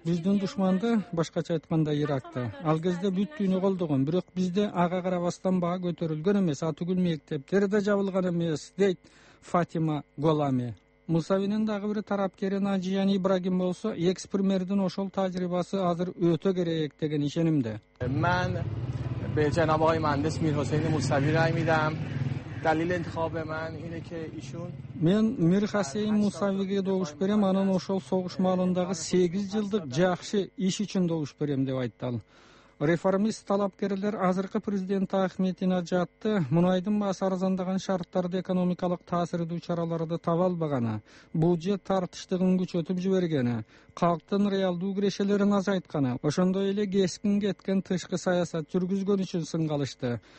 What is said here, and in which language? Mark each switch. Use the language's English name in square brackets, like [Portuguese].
[Kyrgyz] Биздин душманды башкача айтканда Иракты. Ал кезде бүт дүйнө колдогон, бирок бизде ага карабастан баа көтөрүлгөн эмес, атүгүл мектептер да жабылган эмес, дейт Фатима Голами. Мусавинин дагы бир тарапкери Наджиян Ибрагим болсо, экс-премьердин ошол тажрыйбасы азыр өтө керек деген ишенимде. Мен [Persian] به جناب آقای مهندس میر حسین موسوی رای میدم. دلیل انتخاب من اینه که ایشون [Kyrgyz] Мен Мир Хосейн Мусавиге добуш берем, анын ошол согуш маалындагы 8 жылдык жакшы иш үчүн добуш берем деп айтты ал. Реформист талапкерлер азыркы президент Ахметин ажатты, мунайдын баасы арзандаган шарттарда экономикалык таасирдүү чараларды таба албаганы, бюджет тартыштыгын күчөтүп жибергени, калктын реалдуу кирешелерин азайтканы, ошондой эле кескин кеткен тышкы саясат жүргүзгөнү үчүн сынга алышты.